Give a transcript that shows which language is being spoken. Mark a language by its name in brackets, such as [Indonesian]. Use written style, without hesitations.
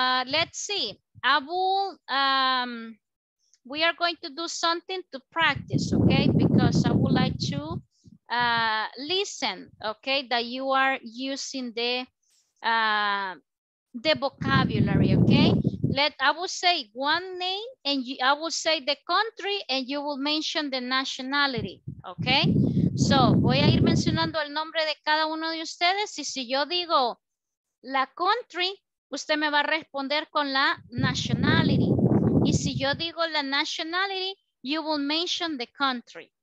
[English] Let's see, we are going to do something to practice, okay, because I would like to listen, okay, that you are using the vocabulary, okay. I will say one name and I will say the country and you will mention the nationality, okay. [Spanish] So, voy a ir mencionando el nombre de cada uno de ustedes y si yo digo la country, usted me va a responder con la nationality. Y si yo digo la nationality, [English] you will mention the country.